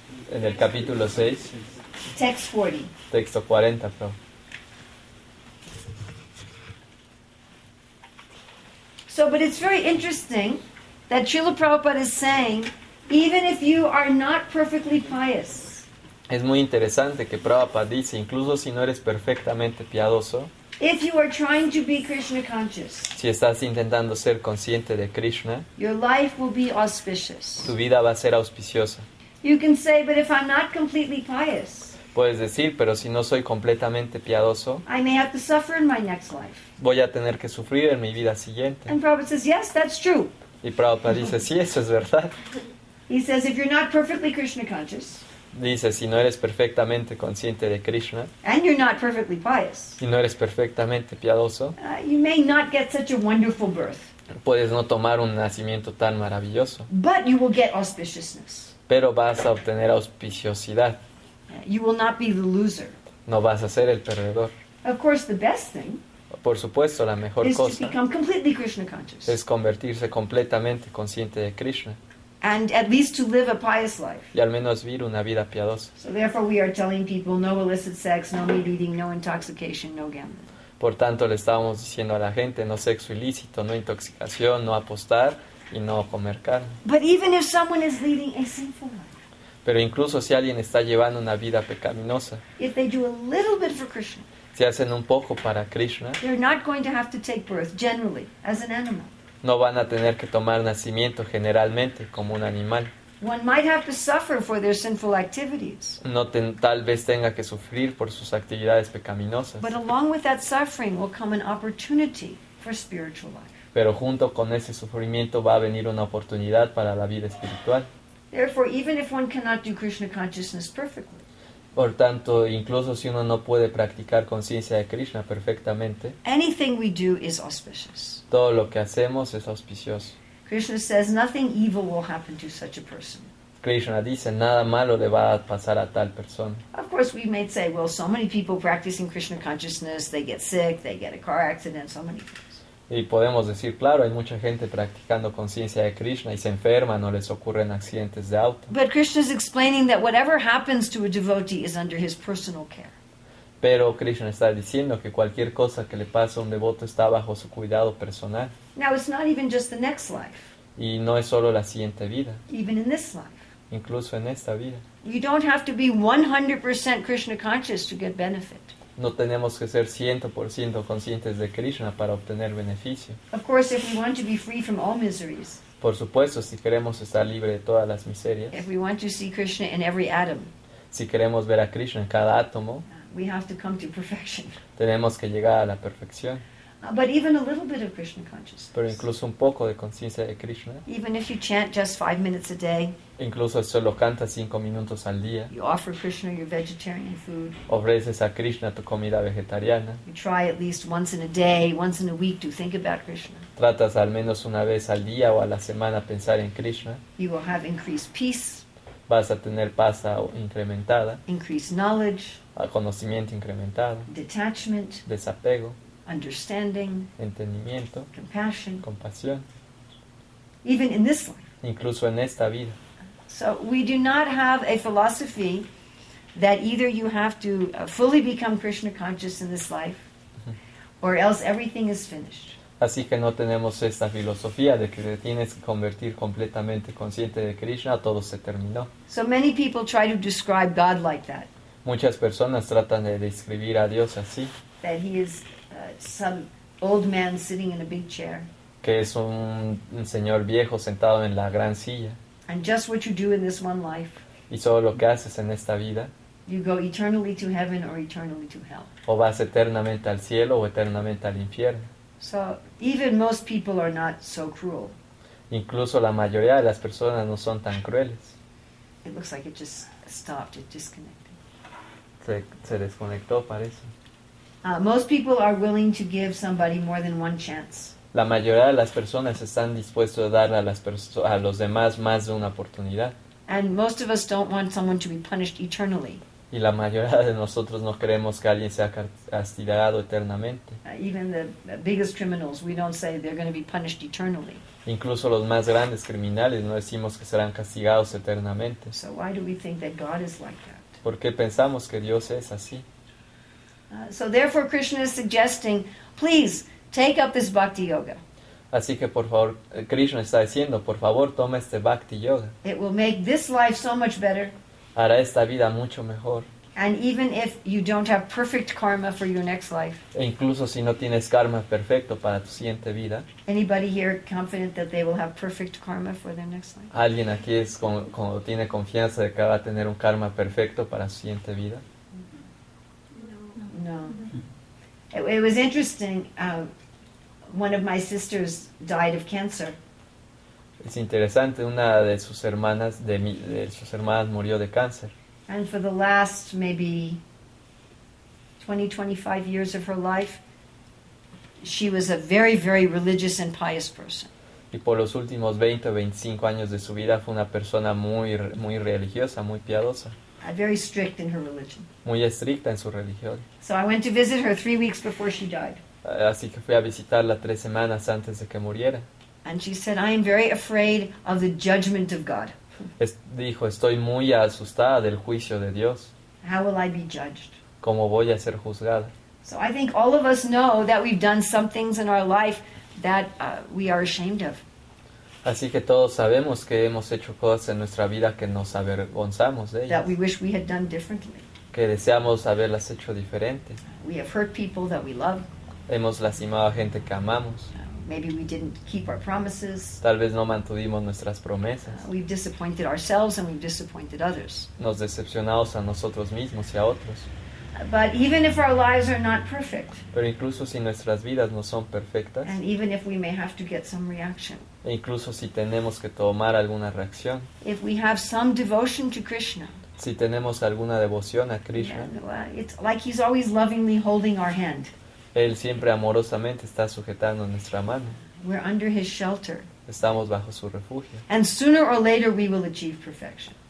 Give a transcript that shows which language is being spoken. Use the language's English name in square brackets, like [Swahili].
[Spanish] En el capítulo 6. [English] Text 40. [Spanish] Texto 40, pero. [English] So, but it's very interesting that Srila Prabhupada is saying, even if you are not perfectly pious. [Spanish] Es muy interesante que Prabhupada dice, incluso si no eres perfectamente piadoso. [English] If you are trying to be Krishna conscious. [Spanish] Si estás intentando ser consciente de Krishna. [English] Your life will be auspicious. [Spanish] Tu vida va a ser auspiciosa. [English] You can say, but if I'm not completely pious. [Spanish] Puedes decir, pero si no soy completamente piadoso, [English] I may have to suffer in my next life. [Spanish] Voy a tener que sufrir en mi vida siguiente. [English] And Prabhupada says, yes, that's true. [Spanish] Y Prabhupada dice, sí, eso es verdad. [English] He says, if you're not perfectly Krishna conscious, [Spanish] dice, si no eres perfectamente consciente de Krishna, [English] and you're not perfectly pious, [Spanish] y no eres perfectamente piadoso, [English] you may not get such a wonderful birth. [Spanish] Puedes no tomar un nacimiento tan maravilloso, [English] but you will get auspiciousness. [Spanish] Pero vas a obtener auspiciosidad. [English] You will not be the loser. [Spanish] No vas a ser el perdedor. [English] Of course, the best thing. [Spanish] Por supuesto, la mejor [English] is [Spanish] cosa [English] to become completely Krishna conscious. [Spanish] Es convertirse completamente consciente de Krishna. [English] And at least to live a pious life. [Spanish] Y al menos vivir una vida piadosa. [English] So therefore, we are telling people no illicit sex, no meat eating, no intoxication, no gambling. [Spanish] Por tanto, le estábamos diciendo a la gente no sexo ilícito, no intoxicación, no apostar y no comer carne. [English] But even if someone is leading a sinful life. [Spanish] Pero incluso si alguien está llevando una vida pecaminosa, [English] if they do a little bit for Krishna, [Spanish] si hacen un poco para Krishna, [English] they're not going to have to take birth generally as an animal. [Spanish] No van a tener que tomar nacimiento generalmente como un animal. [English] One might have to suffer for their sinful activities. [Spanish] Tal vez tenga que sufrir por sus actividades pecaminosas. [English] But along with that suffering will come an opportunity for spiritual life. [Spanish] Pero junto con ese sufrimiento va a venir una oportunidad para la vida espiritual. [English] Therefore, even if one cannot do Krishna consciousness perfectly, [Spanish] por tanto, incluso si uno no puede practicar conciencia de Krishna perfectamente, [English] anything we do is auspicious. [Spanish] Todo lo que hacemos es auspicioso. [English] Krishna says nothing evil will happen to such a person. [Spanish] Krishna dice nada malo le va a pasar a tal persona. [English] Of course, we may say, well, so many people practicing Krishna consciousness, they get sick, they get a car accident, so many things. [Spanish] Y podemos decir, claro, hay mucha gente practicando conciencia de Krishna y se enferma, no les ocurren accidentes de auto. [English] But Krishna is explaining that whatever happens to a devotee is under his personal care. [Spanish] Pero Krishna está diciendo que cualquier cosa que le pasa a un devoto está bajo su cuidado personal. [English] Now it's not even just the next life. [Spanish] Y no es solo la siguiente vida. [English] Even in this life. [Spanish] Incluso en esta vida. [English] You don't have to be 100% Krishna conscious to get benefit. [Spanish] No tenemos que ser 100% conscientes de Krishna para obtener beneficio. [English] Of course, if we want to be free from all miseries, [Spanish] por supuesto, si queremos estar libre de todas las miserias, [English] if we want to see Krishna in every atom, [Spanish] si queremos ver a Krishna en cada átomo, [English] we have to come to perfection. [Spanish] Tenemos que llegar a la perfección. [English] But even a little bit of Krishna consciousness. [Spanish] Pero incluso un poco de conciencia de Krishna. [English] Even if you chant just 5 minutes a day. [Spanish] Incluso si solo cantas 5 minutos al día. [English] You offer Krishna your vegetarian food. [Spanish] Ofreces a Krishna tu comida vegetariana. [English] You try at least once in a day, once in a week to think about Krishna. [Spanish] Tratas al menos una vez al día o a la semana pensar en Krishna. [English] You will have increased peace. [Spanish] Vas a tener paz incrementada. [English] Increased knowledge. [Spanish] Conocimiento incrementado. [English] Detachment. [Spanish] Desapego. [English] understanding, [Spanish] entendimiento, [English] compassion, [Spanish] compasión, [English] even in this life. [Spanish] Incluso en esta vida. [English] So we do not have a philosophy that either you have to fully become Krishna conscious in this life, or else everything is finished. [Spanish] Así que no tenemos esta filosofía de que te tienes que convertir completamente consciente de Krishna, todo se terminó. [English] So many people try to describe God like that. [Spanish] Muchas personas tratan de describir a Dios así. [English] That he is some old man sitting in a big chair. [Spanish] Que es un señor viejo sentado en la gran silla. [English] And just what you do in this one life. [Spanish] Y solo lo que haces en esta vida. [English] You go eternally to heaven or eternally to hell. [Spanish] O vas eternamente al cielo o eternamente al infierno. [English] So even most people are not so cruel. [Spanish] Incluso la mayoría de las personas no son tan crueles. [English] It looks like it just stopped. It disconnected. [Spanish] Se desconectó, parece. [English] Most people are willing to give somebody more than one chance. [Spanish] La mayoría de las personas están dispuestos a dar a los demás más de una oportunidad. [English] And most of us don't want someone to be punished eternally. [Spanish] Y la mayoría de nosotros no queremos que alguien sea castigado eternamente. [English] Even the biggest criminals, we don't say they're going to be punished eternally. [Spanish] Incluso los más grandes criminales no decimos que serán castigados eternamente. [English] So why do we think that God is like that? [Spanish] ¿Por qué pensamos que Dios es así? [English] So therefore Krishna is suggesting, please take up this bhakti yoga. [Spanish] Así que por favor, Krishna está diciendo, por favor, toma este bhakti yoga. [English] It will make this life so much better. [Spanish] Hará esta vida mucho mejor. [English] And even if you don't have perfect karma for your next life. [Spanish] E incluso si no tienes karma perfecto para tu siguiente vida. [English] Anybody here confident that they will have perfect karma for their next life? [Spanish] ¿Alguien aquí es como tiene confianza de que va a tener un karma perfecto para su siguiente vida? [English] No. It was interesting. One of my sisters died of cancer. [Spanish] Es interesante, una de sus hermanas, de sus hermanas murió de cáncer. [English] And for the last maybe 20-25 years of her life, she was a very, very religious and pious person. [Spanish] Y por los últimos 20-25 años de su vida fue una persona muy, muy religiosa, muy piadosa. [English] Very strict in her religion. [Spanish] Muy estricta en su religión. [English] So I went to visit her 3 weeks before she died. [Spanish] Así que fui a visitarla 3 semanas antes de que muriera. [English] And she said, I am very afraid of the judgment of God. [Spanish] Dijo, estoy muy asustada del juicio de Dios. [English] How will I be judged? [Spanish] ¿Cómo voy a ser juzgada? [English] So I think all of us know that we've done some things in our life that we are ashamed of. [Spanish] Así que todos sabemos que hemos hecho cosas en nuestra vida que nos avergonzamos de ellas. [English] That we wish we had done differently. [Spanish] Que deseamos haberlas hecho diferente. [English] We have hurt people that we love. [Spanish] Hemos lastimado a gente que amamos. [English] Maybe we didn't keep our promises. [Spanish] Tal vez no mantuvimos nuestras promesas. [English] We've disappointed ourselves and we've disappointed others. [Spanish] Nos decepcionamos a nosotros mismos y a otros. [English] But even if our lives are not perfect. [Spanish] Pero incluso si nuestras vidas no son perfectas. [English] And even if we may have to get some reaction. [Spanish] E incluso si tenemos que tomar alguna reacción. [English] If we have some devotion to Krishna. [Spanish] Si tenemos alguna devoción a Krishna. [English] Yeah, it's like he's always lovingly holding our hand. [Spanish] Él siempre amorosamente está sujetando nuestra mano. [English] We're under his shelter. [Spanish] Estamos bajo su refugio. [English] And sooner or later we will achieve perfection.